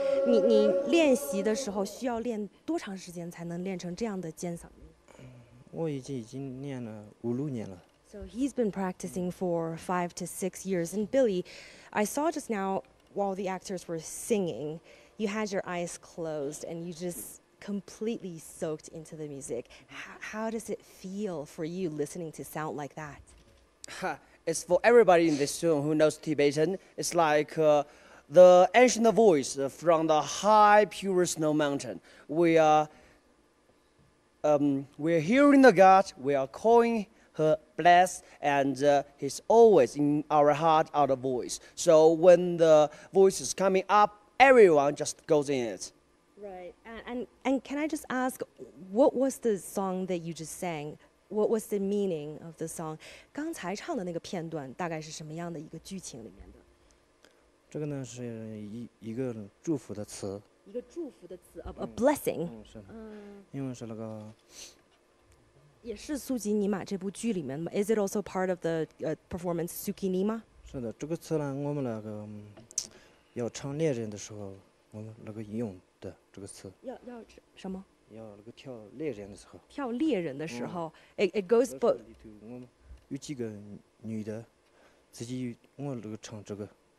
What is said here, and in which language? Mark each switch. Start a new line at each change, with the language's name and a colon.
Chinese: 你练习的时候需要练多长时间才能练成这样的尖嗓音？我已经练了五六年了。
English: So he's been practicing for 5 to 6 years. And Billy, I saw just now while the actors were singing, you had your eyes closed and you just completely soaked into the music. How does it feel for you listening to sound like that? It's for everybody in this room who knows Tibetan. It's like the ancient voice from the high, pure snow mountain. We are hearing the God, we are calling her blessed, and he's always in our heart, our voice. So when the voice is coming up, everyone just goes in it. Right, and can I just ask, what was the song that you just sang? What was the meaning of the song?
Chinese: 刚才唱的那个片段大概是什么样的一个剧情里面的？这个呢是一个祝福的词，一个祝福的词，
English: a blessing，
Chinese: 是的，因为是那个，也是苏吉尼玛这部剧里面的吗？
English: Is it also part of the performance Sukyi Nyima？
Chinese: 是的，这个词呢，我们那个要唱猎人的时候，我们那个用的这个词，要什么？要那个跳猎人的时候，嗯，
English: it goes both，
Chinese: 我们有几个女的，自己我那个唱这个。